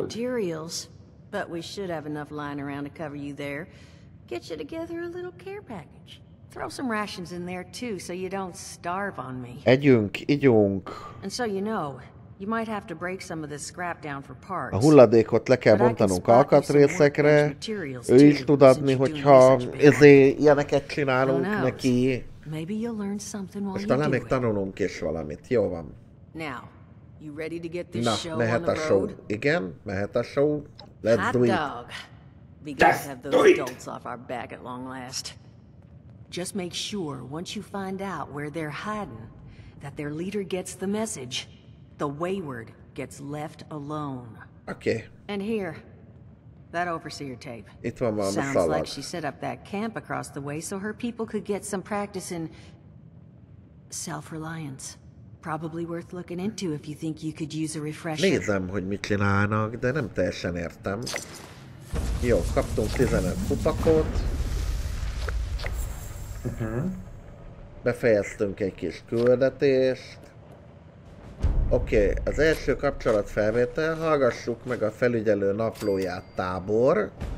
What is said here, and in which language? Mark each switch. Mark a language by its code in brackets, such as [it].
[en] Materials, but we should have enough lying around to cover you there. Get you together a little care package. Throw some rations in there too, so you don't starve on me. [hu] Együnk, ígyunk. [en] And so you know, you might have to break some of this scrap down for parts. [hu] A hulladékot le kell bontanunk alkatrészekre. Ő is tud adni, hogyha ilyeneket csinálunk neki. [en] Maybe you'll learn something while you do it. [hu] Talán még tanulunk is valamit. Jó van. [en] Now, you ready to get this show on the road? [hu] Na, mehet a show. Igen, mehet a show. [en] Let's do it. Let's do it. Let's do it. Just make sure once you find out where they're hiding, that their leader gets the message. The wayward gets left alone. Okay. And here, that overseer tape. It sounds like she set up that camp across the way so her people could get some practice in self-reliance. Probably worth looking into if you think you could use a refresher. [hu] Nézem, hogy mit csinálnak, de nem teljesen értem. Jó, kaptunk 15 kupakot. Befejeztünk egy kis küldetést. Oké, az első kapcsolatfelvétel, hallgassuk meg a felügyelő naplóját, tábor.